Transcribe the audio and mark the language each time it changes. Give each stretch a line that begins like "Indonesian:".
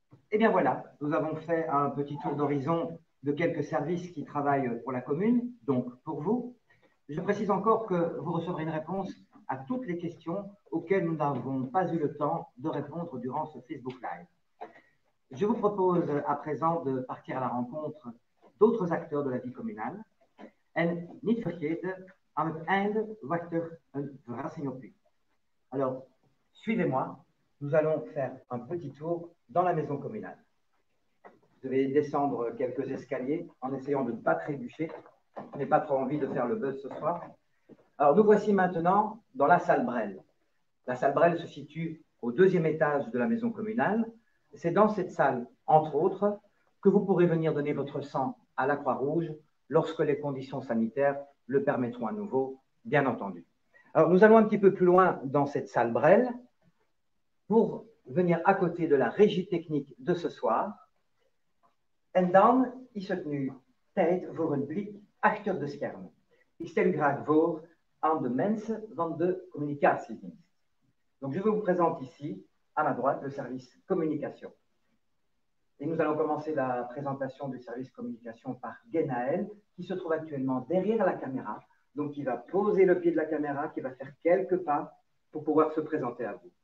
French: Eh bien voilà, nous avons fait un petit tour d'horizon de quelques services qui travaillent pour la commune, donc pour vous. Je précise encore que vous recevrez une réponse à toutes les questions auxquelles nous n'avons pas eu le temps de répondre durant ce Facebook Live. Je vous propose à présent de partir à la rencontre d'autres acteurs de la vie communale.
Dutch: En niet vergeten, aan het einde wacht er een verrassing op u.
French: Alors, suivez-moi, nous allons faire un petit tour dans la maison communale. Vous devez descendre quelques escaliers en essayant de ne pas trébucher. Je n'ai pas trop envie de faire le buzz ce soir. Alors, nous voici maintenant dans la salle Brel. La salle Brel se situe au deuxième étage de la maison communale. C'est dans cette salle, entre autres, que vous pourrez venir donner votre sang à la Croix-Rouge lorsque les conditions sanitaires le permettront à nouveau, bien entendu. Alors, nous allons un petit peu plus loin dans cette salle Brel pour venir à côté de la régie technique de ce soir.
Dutch: En dan is het nu tijd voor een blik achter de schermen. Ik stel graag voor aan de mensen van de communicatiedienst.
French: Donc je vais vous présenter ici, à ma droite, le service communication. Et nous allons commencer la présentation du service communication par Genaël, qui se trouve actuellement derrière la caméra. Donc il va poser le pied de la caméra, qui va faire quelques pas pour pouvoir se présenter à vous.